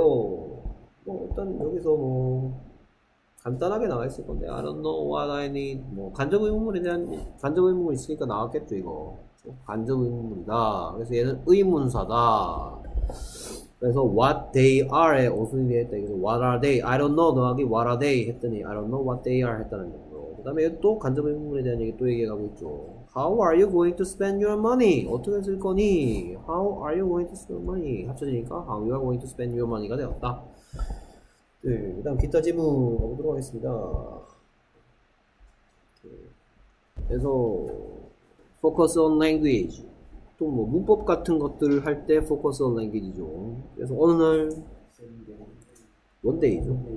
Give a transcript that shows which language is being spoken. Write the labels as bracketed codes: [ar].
[ko] 뭐 일단 여기서 뭐 간단하게 나와 있을 건데 [en] I don't know what I need [ko] 뭐 간접 의문문에 대한 간접 의문문 있으니까 나왔겠죠. 이거 간접 의문문이다. 그래서 얘는 의문사다. 그래서 [en] what they are [ko] 에 오순이 했다. 그래서 [en] what are they? I don't know [ko] 더하기 [en] what are they [ko] 했더니 [en] I don't know what they are [ko] 했다는 거고. 그다음에 또 간접 의문문에 대한 얘기 또 얘기하고 있죠. [en] How are you going to spend your money? [ko] 어떻게 쓸 거니? [en] How are you going to spend your money? [ko] 합쳐지니까 [en] how you are going to spend your money가 [ko] 되었다. 네, 그다음 기타 질문 가보도록 하겠습니다. 그래서 [en] focus on language. [ko] 또 뭐 문법 같은 것들을 할 때 focus on language죠. 그래서 어느 날 원데이죠.